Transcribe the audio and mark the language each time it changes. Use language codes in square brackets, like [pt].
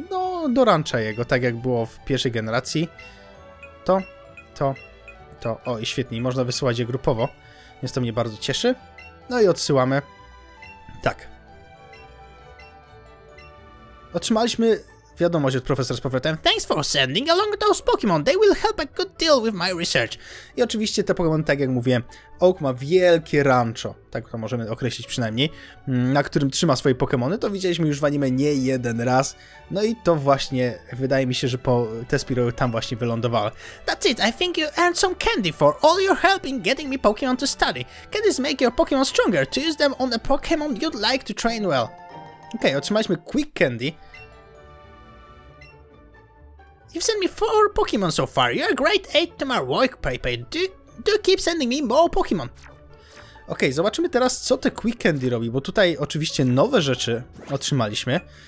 [pl] No, do rancha jego, tak jak było w pierwszej generacji. To. O, i świetnie, można wysyłać je grupowo. Więc to mnie bardzo cieszy. No i odsyłamy. Tak. Otrzymaliśmy wiadomość od profesora z powrotem. [en] Thanks for sending along those Pokémon. They will help a good deal with my research. [pl] I oczywiście te Pokémon, tak jak mówiłem, Oak ma wielkie rancho, tak to możemy określić przynajmniej, na którym trzyma swoje Pokémony. To widzieliśmy już w anime nie jeden raz. No i to właśnie, wydaje mi się, że te spiroły tam właśnie wylądowały. [en] That's it. I think you earned some candy for all your help in getting me Pokémon to study. Candies make your Pokémon stronger. To use them on a Pokémon you'd like to train well. [pl] Okej, otrzymaliśmy Quick Candy. [en] You've sent me 4 Pokémon so far. You're a great aid to my work, Pepe. Do keep sending me more Pokémon. [pl] Okej, zobaczymy teraz, co te Quick Candy robi, bo tutaj oczywiście nowe rzeczy otrzymaliśmy.